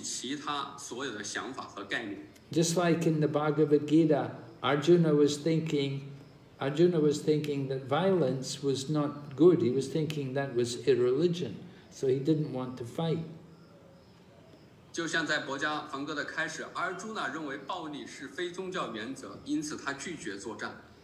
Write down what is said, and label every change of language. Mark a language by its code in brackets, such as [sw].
[zh] 我们应该接受至尊主给予我们的，我们应该放弃其他所有的想法和概念。 [en] Just like in the Bhagavad Gita, Arjuna was thinking that violence was not good. He was thinking that was irreligion, so he didn't want to fight. [zh] 就像在博迦梵歌的开始，阿尔朱那认为暴力是非宗教原则，因此他拒绝作战。